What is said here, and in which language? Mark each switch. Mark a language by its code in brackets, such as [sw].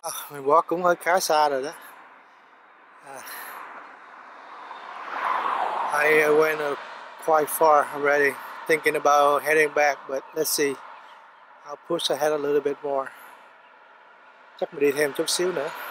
[vi] Mình walk cũng hơi khá xa rồi đó. [en] I went quite far already, thinking about heading back, but let's see. I'll push ahead a little bit more. [vi] Chắc mình đi thêm chút xíu nữa.